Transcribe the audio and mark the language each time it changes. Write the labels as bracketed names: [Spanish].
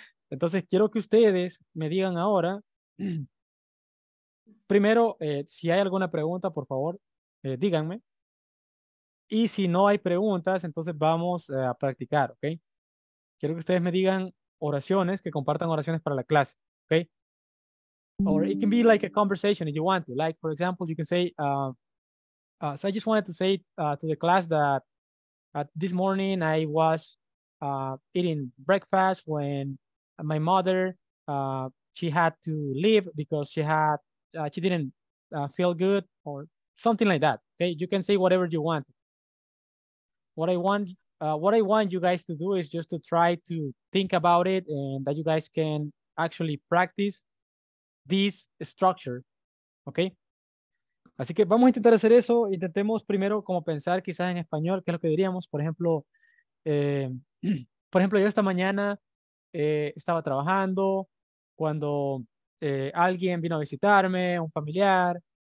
[Spanish] Entonces, quiero que ustedes me digan ahora, primero, si hay alguna pregunta, por favor, díganme. Y si no hay preguntas, entonces vamos a practicar, ¿ok? Quiero que ustedes me digan oraciones, que compartan oraciones para la clase, ¿ok? [English] Or it can be like a conversation if you want to. Like, for example, you can say, so I just wanted to say to the class that this morning I was eating breakfast when my mother, she had to leave because she didn't feel good or something like that, ¿ok? You can say whatever you want. What I want you guys to do is just to try to think about it and that you guys can actually practice this structure, okay? [Spanish] Así que vamos a intentar hacer eso. Intentemos primero como pensar quizás en español, qué es lo que diríamos. Por ejemplo, yo esta mañana estaba trabajando cuando alguien vino a visitarme, un familiar.